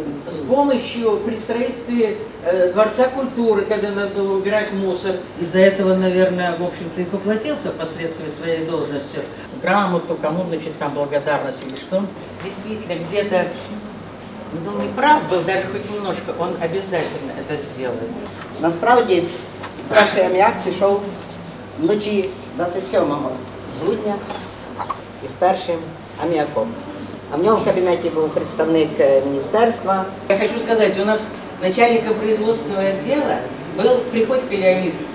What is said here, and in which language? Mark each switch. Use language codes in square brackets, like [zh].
[ru] С помощью при строительстве Дворца культуры, когда надо было убирать мусор. Из-за этого, наверное, в общем-то, и поплатился впоследствии своей должностью. Грамоту, кому, значит, там благодарность или что. Действительно, где-то, ну, не прав был, даже хоть немножко, он обязательно это сделает. [uk] Насправді, перший аммиак пішов вночі 27 грудня із першим аммиаком. [ru] А в нем в кабинете был представник министерства. Я хочу сказать, у нас начальником производственного отдела был Приходько Леонид.